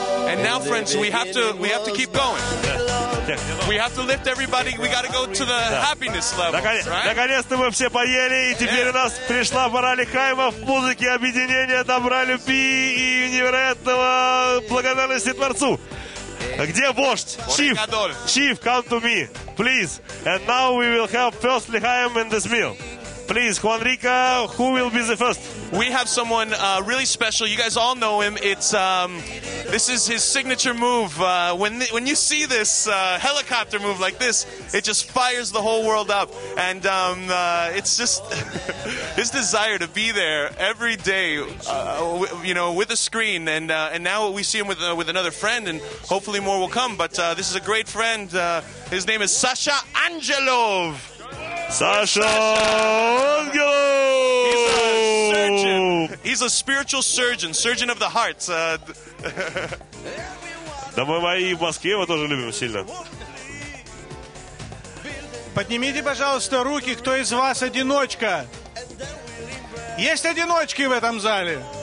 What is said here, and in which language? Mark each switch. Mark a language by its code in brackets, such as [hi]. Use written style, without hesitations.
[en] And now, friends, we have to keep going. We have to lift everybody. We got to go to the happiness level. [ru] Наконец-то мы все поели, и теперь у нас пришла пора лихаймов в музыке объединения добра, любви и невероятного благодарности Творцу. Где вождь? [en] Chief, chief, come to me, please. And now we will have first лихаем in this meal. Please, Juan Rica, who will be the first? We have someone really special. You guys all know him. It's this is his signature move. When you see this helicopter move like this, it just fires the whole world up. And it's just his desire to be there every day, with a screen. And now we see him with another friend, and hopefully more will come. But this is a great friend. His name is Sasha Angelov. Sasha Angelov. He's a spiritual surgeon, surgeon of the heart. [ru] Да мы и в Москве его тоже любим сильно. Поднимите, пожалуйста, руки, кто из вас одиночка? Есть одиночки в этом зале?